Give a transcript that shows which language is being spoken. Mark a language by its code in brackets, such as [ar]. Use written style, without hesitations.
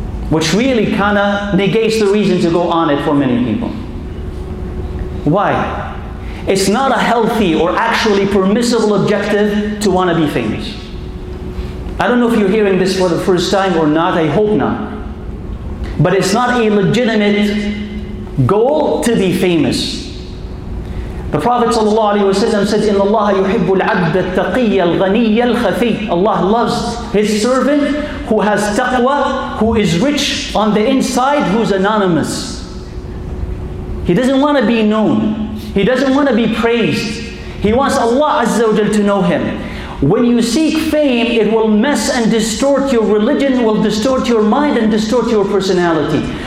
[en] Which really kind of negates the reason to go on it for many people. Why? It's not a healthy or actually permissible objective to want to be famous. I don't know if you're hearing this for the first time or not, I hope not. But it's not a legitimate goal to be famous. The Prophet ﷺ says, [ar] إِنَّ اللَّهَ يُحِبُّ الْعَبْدَ التَّقِيَّ الْغَنِيَّ الْخَفِيَّ. [en] Allah loves His servant who has taqwa, who is rich on the inside, who's anonymous. He doesn't want to be known. He doesn't want to be praised. He wants Allah Azza wa Jal to know him. When you seek fame, it will mess and distort your religion, will distort your mind and distort your personality.